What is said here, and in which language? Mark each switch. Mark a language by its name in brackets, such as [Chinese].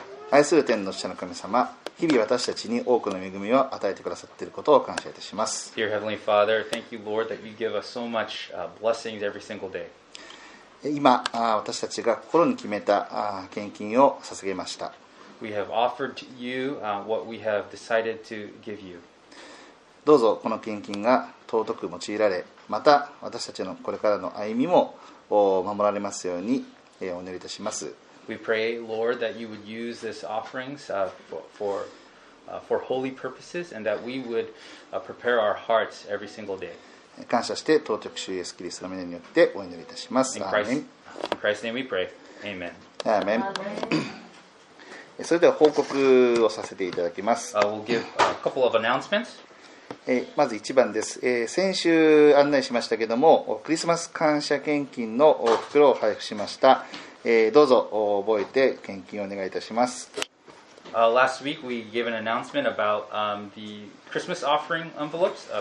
[Japanese] 愛する天の父なる神様、日々私たちに多くの恵みを与えてくださっていることを感謝いたします。 [English] Dear Heavenly Father, thank you, Lord, that you give us so much blessings every single day. [Japanese] 今私たちが心に決めた献金を捧げました。 [English] We have offered to you what we have decided to give you. [Japanese] どうぞこの献金が尊く用いられ、また私たちのこれからの歩みも守られますようにお願いいたします。 [English] We pray, Lord, that you would use this offerings for holy purposes and that we would prepare our hearts every single day. [Japanese] 感謝して尊く主イエスキリストの名によってお祈りいたします。 [English] In Christ's name we pray. Amen. Amen. [Japanese] それでは報告をさせていただきます。 [English] We'll give a couple of announcements. [Japanese] まず1番です。先週案内しましたけれども、クリスマス感謝献金の袋を配布しました。どうぞ覚えて献金をお願いいたします。 [English] Last week we gave an announcement about the Christmas offering envelopes.